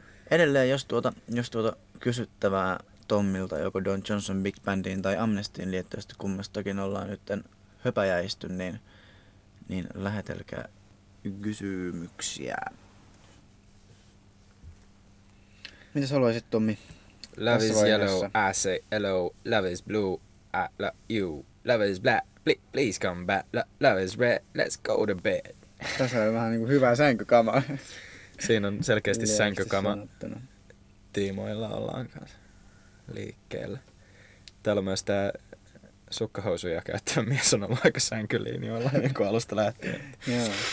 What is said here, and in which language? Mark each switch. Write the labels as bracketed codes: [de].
[fi] Edelleen, jos tuota kysyttävää Tommilta, joko Don Johnson Big Bandiin tai Amnestiin liittyvästä kummastakin ollaan nyt höpäjäisty, niin lähetelkää kysymyksiä. Mitä sä haluaisit, Tommi? [en] Love is yellow, I say hello, love is blue, I love you, love is black, please come back, love is red, let's go to bed. [fi] Tässä on vähän niinku hyvää sänkykamaa. Siinä on selkeästi sänkykama. Tiimoilla ollaan kanssa liikkeellä. Täällä on myös tää sukkahousuja käyttävä mies on ollut aika sänkylinjoilla niinku alusta lähtien. Joo.